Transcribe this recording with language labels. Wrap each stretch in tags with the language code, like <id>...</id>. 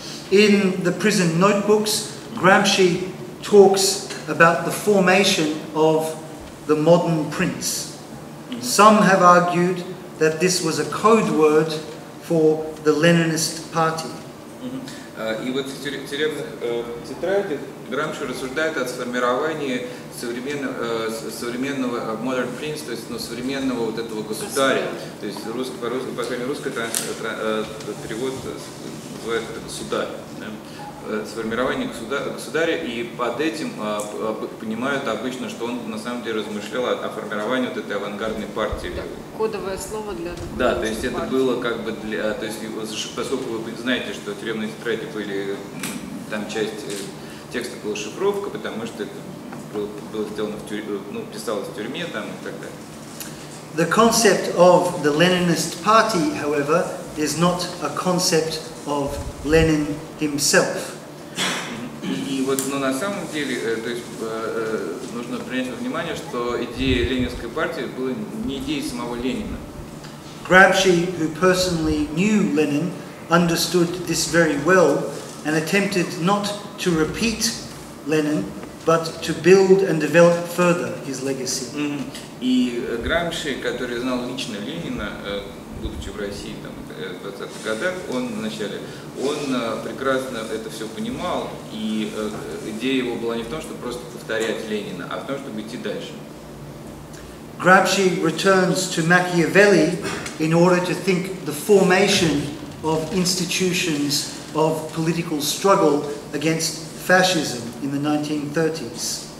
<en>In the prison notebooks, Gramsci talks about the formation of the modern prince. Some have argued that this was a code word for the Leninist party.</en> <ru>И вот в тюремных тетрадях Грамши рассуждает о сформировании современного</ru> <en>modern prince,</en> <ru>то есть современного вот этого государя. То есть по-русски, по крайней мере, русский перевод называет это государь. Сформирование государя, и под этим понимают обычно, что он на самом деле размышлял о формировании вот этой авангардной партии. Так, кодовое слово для такой. Да, то есть партии. Это было как бы для. То есть, поскольку вы знаете, что тюремные тетради были, там часть текста была шифровка, потому что это было сделано в тюрьме, ну, писалось в тюрьме там и так далее.</ru> <en>The concept of the Leninist party, however, is not a concept of Lenin himself.</en> <ru>И вот, но на самом деле, то есть нужно принять во внимание, что идея Ленинской партии была не идеей самого Ленина.</ru> <en>Gramsci, who personally knew Lenin, understood this very well and attempted not to repeat Lenin, but to build and develop further his legacy.</en> <ru>И Грамши, который знал лично Ленина, будучи в России там, в 20-х годах, он вначале, он прекрасно это все понимал, и идея его была не в том, чтобы просто повторять Ленина, а в том, чтобы идти дальше.</ru> <en>Грамши returns to Machiavelli in order to think the formation of institutions of political struggle against fascism in the 1930s.</en>